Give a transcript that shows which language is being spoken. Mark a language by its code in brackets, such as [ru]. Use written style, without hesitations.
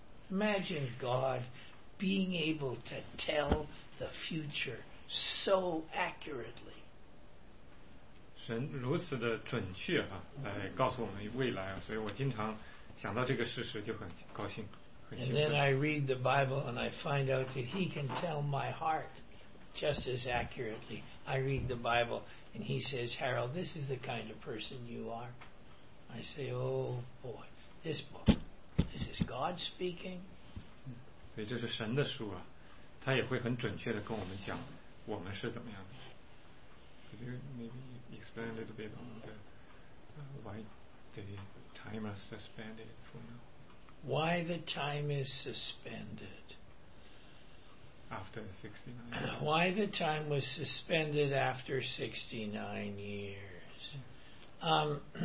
[en] Imagine God being able to tell the future so accurately. [zh] 神如此的准确啊，来告诉我们未来啊，所以我经常想到这个事实就很高兴，很兴奋。 [en] And then I read the Bible and I find out that he can tell my heart just as accurately. I read the Bible and he says, Harold, this is the kind of person you are. I say, oh boy, this book, this is God speaking. [zh] 所以这是神的书啊，他也会很准确地跟我们讲我们是怎么样的。 [en] Could you maybe explain a little bit on the why the time is suspended for now? Why the time is suspended? After 69 years. Why the time was suspended after 69 years.